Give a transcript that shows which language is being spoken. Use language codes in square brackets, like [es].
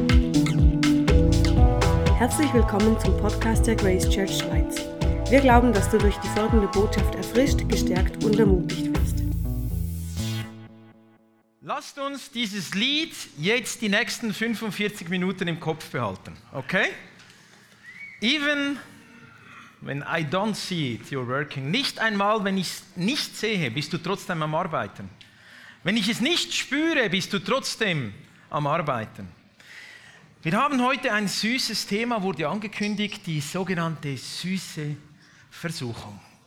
[de] Herzlich willkommen zum Podcast der Grace Church Schweiz. Wir glauben, dass du durch die folgende Botschaft erfrischt, gestärkt und ermutigt wirst. Lasst uns dieses Lied jetzt die nächsten 45 Minuten im Kopf behalten, okay? [en] Even when I don't see it, you're working. [de] Nicht einmal, wenn ich es nicht sehe, bist du trotzdem am Arbeiten. Wenn ich es nicht spüre, bist du trotzdem am Arbeiten. Wir haben heute ein süßes Thema, wurde angekündigt, die sogenannte süße Versuchung.